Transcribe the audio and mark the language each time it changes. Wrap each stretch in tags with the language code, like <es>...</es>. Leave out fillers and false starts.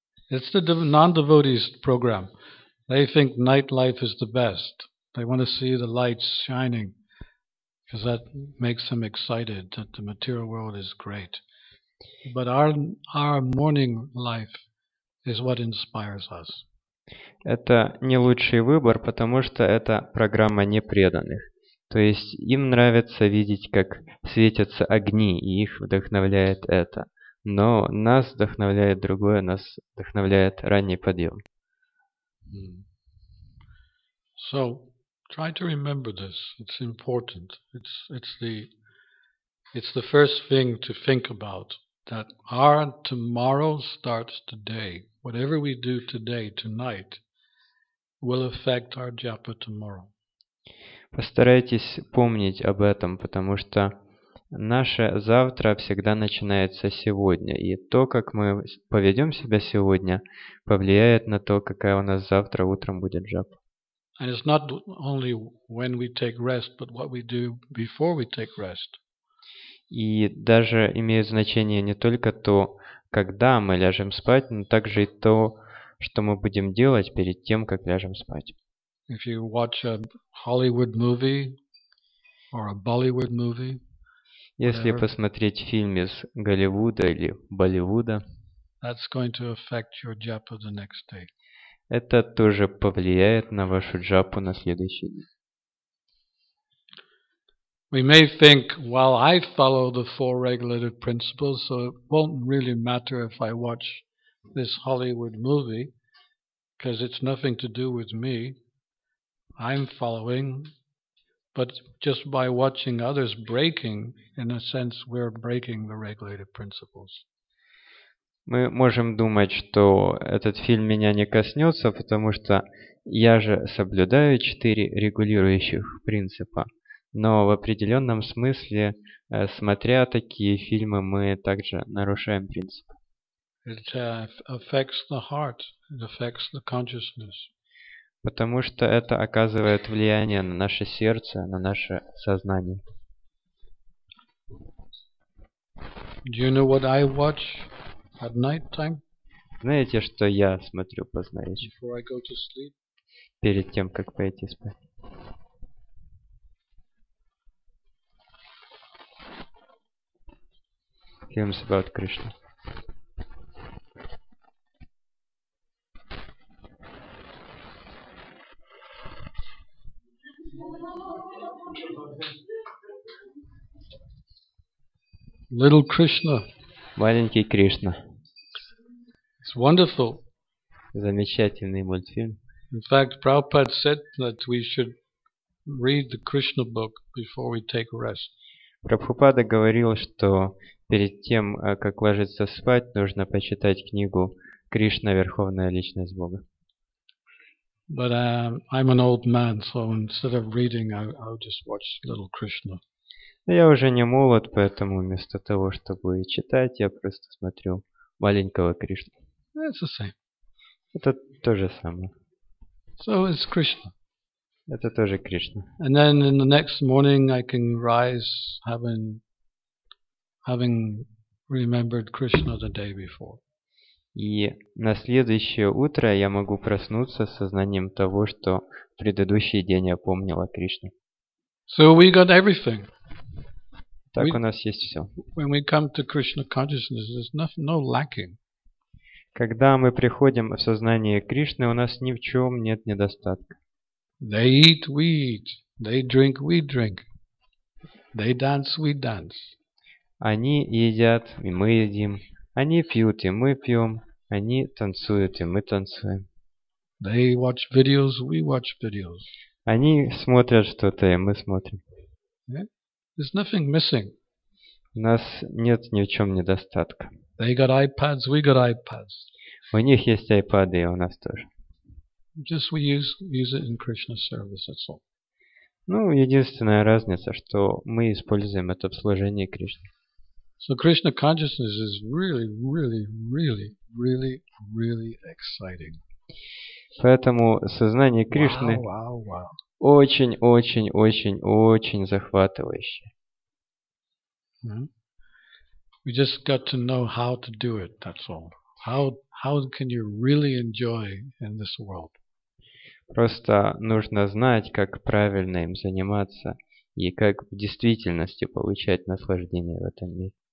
<en>It's the non-devotees program. They think nightlife is the best. They want to see the lights shining because that makes them excited that the material world is great. But our morning life is what inspires us.</en> <ru>Это не лучший выбор, потому что это программа непреданных. То есть им нравится видеть, как светятся огни, и их вдохновляет это. Но нас вдохновляет другое, нас вдохновляет ранний подъем.</ru> <en>So, try to remember this. It's important. It's the first thing to think about, that our tomorrow starts today. Whatever we do today, tonight, will affect our japa tomorrow.</en> <ru>Постарайтесь помнить об этом, потому что наше завтра всегда начинается сегодня, и то, как мы поведем себя сегодня, повлияет на то, какая у нас завтра утром будет джапа.</ru> <en>And it's not only when we take rest, but what we do before we take rest.</en> <ru>И даже имеет значение не только то, когда мы ляжем спать, но также и то, что мы будем делать перед тем, как ляжем спать.</ru> <en>If you watch a Hollywood movie or a Bollywood movie,</en> <ru>если посмотреть фильм из Голливуда или Болливуда,</ru> <en>that's going to affect your japa the next day.</en> <ru>Это тоже повлияет на вашу джапу на следующий день.</ru> <en>We may think, well, I follow the four regulative principles, so it won't really matter if I watch this Hollywood movie, because it's nothing to do with me. I'm following. But just by watching others breaking, in a sense, we're breaking the regulative principles.</en> <ru>Мы можем думать, что этот фильм меня не коснется, потому что я же соблюдаю четыре регулирующих принципа. Но в определенном смысле, смотря такие фильмы, мы также нарушаем принципы.</ru> <en>It affects the heart, it affects the consciousness.</en> <ru>Потому что это оказывает влияние на наше сердце, на наше сознание.</ru> <en>Do you know what I watch at night time?</en> <ru>Знаете, что я смотрю поздно вечером?</ru> <en>Before I go to sleep?</en> <ru>Перед тем, как пойти спать.</ru> <en>Hymns about Krishna. Little Krishna.</en> <ru>Маленький Кришна.</ru> <en>It's wonderful.</en> <ru>Замечательный мультфильм.</ru> <en>In fact, Prabhupada said that we should read the Krishna book before we take rest.</en> <ru>Прабхупада говорил, что перед тем, как ложиться спать, нужно почитать книгу Кришна, Верховная Личность Бога.</ru> <en>But I'm an old man, so instead of reading, I'll just watch Little Krishna.</en> <ru>Я уже не молод, поэтому вместо того, чтобы читать, я просто смотрю маленького Кришну.</ru> <en>It's the same.</en> <ru>Это то же самое.</ru> <en>So it's Krishna.</en> <ru>Это тоже Кришна.</ru> <en>And then in the next morning I can rise having remembered Krishna the day before.</en> <ru>И на следующее утро я могу проснуться с сознанием того, что в предыдущий день я помнил о Кришне.</ru> <en>So we got everything.</en> <ru>Так у нас есть все.</ru> <en>When we come to Krishna consciousness, there's nothing, no lacking.</en> <ru>Когда мы приходим в сознание Кришны, у нас ни в чем нет недостатка.</ru> <en>They eat, we eat. They drink, we drink. They dance, we dance.</en> <ru>Они едят, и мы едим. Они пьют, и мы пьем. Они танцуют, и мы танцуем.</ru> <en>They watch videos, we watch videos.</en> <ru>Они смотрят что-то, и мы смотрим.</ru> <en>Yeah? There's nothing missing.</en> <ru>У нас нет ни в чем недостатка.</ru> <en>They got iPads, we got iPads.</en> <ru>У них есть iPads, и у нас тоже.</ru> <en>Just we use it in Krishna service, that's all.</en> <ru>Ну, единственная разница, что мы используем это в служении Кришне.</ru> <en>So Krishna consciousness is really, really, really, really, really exciting.</en> <ru>Поэтому сознание Кришны очень-очень-очень-очень захватывающее.</ru> <en>We just got to know how to do it, that's all. How can you really enjoy in this world?</en> <ru>Просто нужно знать, как правильно им заниматься и как в действительности получать наслаждение в этом мире.</ru>